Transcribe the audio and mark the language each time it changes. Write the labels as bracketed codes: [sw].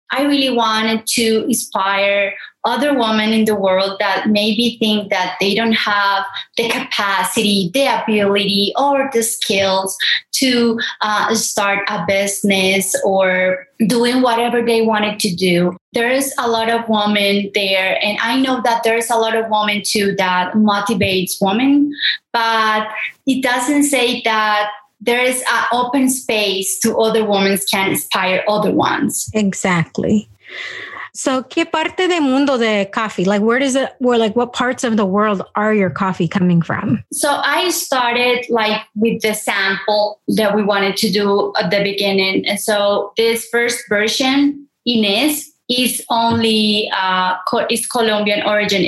[en] I really wanted to inspire other women in the world that maybe think that they don't have the capacity, the ability, or the skills to start a business or doing whatever they wanted to do. There is a lot of women there, and I know that there is a lot of women too that motivates women, but it doesn't say that there is an open space to other women can inspire other ones. Exactly. [es] So, ¿qué parte del mundo de coffee? [en] Like, what parts of the world are your coffee coming from? So, I started like with the sample that we wanted to do at the beginning. And so, this first version, Inés, is only, is Colombian origin.